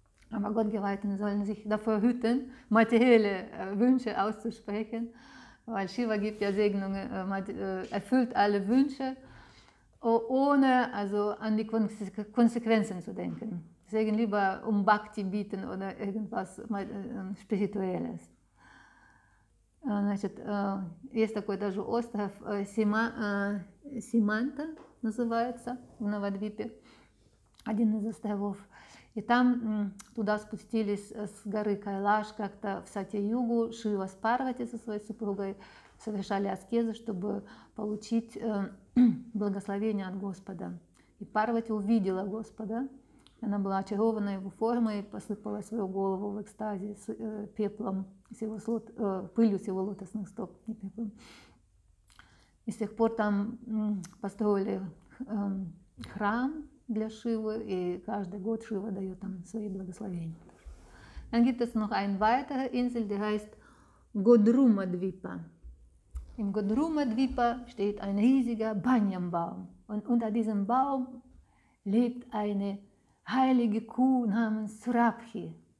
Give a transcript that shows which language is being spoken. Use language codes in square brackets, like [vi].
[de] Aber Gottgeweihten sollen sich davor hüten, materielle Wünsche auszusprechen, weil Shiva gibt ja Segnungen, erfüllt alle Wünsche, ohne also an die Konsequenzen zu denken. Deswegen lieber um Bhakti bieten oder irgendwas Spirituelles. [ru] Значит, есть такой даже остров Симанта, называется, в Навадвипе, один из островов. И там туда спустились с горы Кайлаш как-то в Сатья-югу Шива с Парвати со своей супругой, совершали аскезы, чтобы получить благословение от Господа. И Парвати увидела Господа. Она была очарована его формой, посыпала свою голову в экстазе с пеплом, с его пылью с его лотосных стоп. И пеплом. И с тех пор там построили храм для Шивы, и каждый год Шива дает там свои благословения. [de] Dann gibt es noch eine weitere Insel, die heißt Godrumadvipa. Im Godrumadvipa steht ein riesiger Banyanbaum. Und unter diesem Baum lebt eine heilige Kuh namens Surabhi.